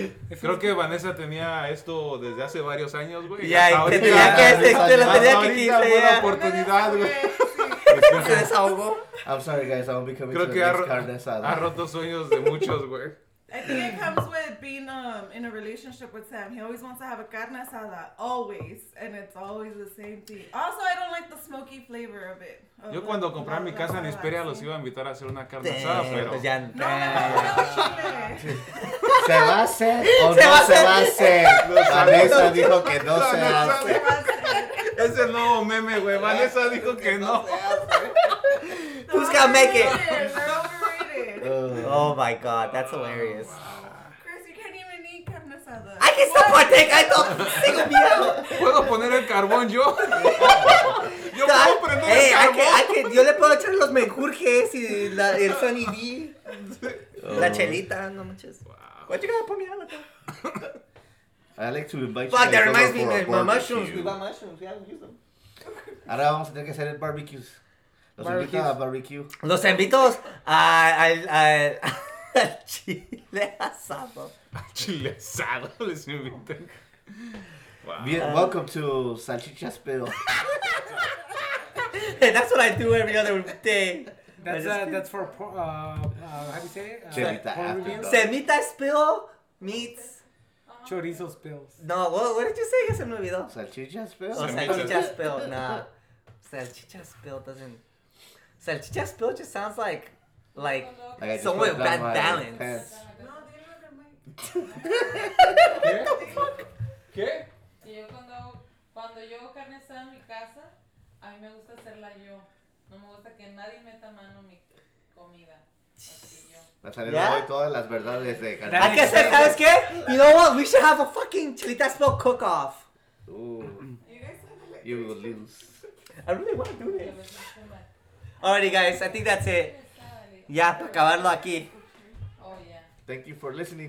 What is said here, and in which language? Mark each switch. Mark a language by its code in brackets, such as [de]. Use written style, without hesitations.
[es] Creo que Vanessa tenía esto desde hace varios años, güey. Ya, tenía que hacer la tenía que quitar. Una buena oportunidad, güey. Se desahogó. [en] I'm sorry, guys. I won't be coming to the carne asada. [es] Ha roto sueños de muchos, güey. [en] I think it comes with being in a relationship with Sam. He always wants to have a carne asada, always, and it's always the same thing. Also, I don't like the smoky flavor of it. [es] Yo cuando compré mi casa en Hesperia los iba a invitar a hacer una carne asada, pero... No, no, ¿se va a hacer o no se va a hacer? Vanessa dijo que no se va a hacer. Es el nuevo meme, güey. Vanessa dijo que no. [en] Who's gonna make it? They're overrated. Oh my god, that's hilarious. Chris, you can't even eat carne asada. I can still partake, I don't [es] sigo miedo. ¿Puedo poner el carbón yo? Yo puedo prender el carbón. Yo le puedo echar los menjurjes y el Sunny D. La chelita, no manches. [en] Wow. What you gonna put me on? I like to invite you. Fuck, that reminds me of my mushrooms. We got mushrooms, we haven't used them. [es] Ahora vamos a tener que hacer el barbecues. Los invito a barbecue. Los invito al chile asado. Al chile asado les invito. [en] Wow. Welcome to Salchicha Spill. Hey, that's what I do every other day. That's for, how do you say it? Cemita Spill meets... Chorizo Spills. No, what did you say? [es] Ya se me olvidó. [en] Salchicha Spill. Salchicha Spill, Salchicha Spill doesn't... Salchicha spill just sounds like someone with bad balance. [es] No, dime lo que me. ¿Qué? Si yo cuando yo hago carne asada en mi casa, a mí me gusta hacerla yo. No me gusta que nadie meta mano en mi comida. Yeah? Todas las verdades de carne asada. ¿A qué se sabes qué? [en] You know what? We should have a fucking chilita spill cook off. Ooh. You will lose. I really want to do this. Alrighty, guys, I think that's it. [es] Ya, para acabarlo aquí. [en] Oh, yeah. Thank you for listening.